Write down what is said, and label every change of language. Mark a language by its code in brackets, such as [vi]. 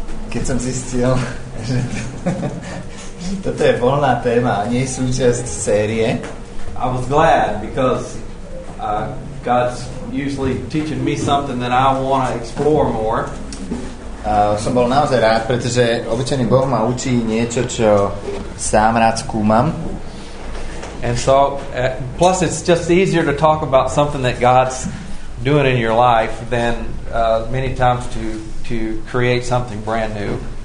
[sk] keď som zistil, že toto je voľná téma, nie súčasť série. [en] I was glad because God's usually teaching me something that I want to explore more. [sk] Som bol naozaj rád, pretože obyčajný Boh ma učí niečo, čo sám rád skúmam. [en] And so plus it's just easier to talk about something that God's doing in your life than many times to create something brand new.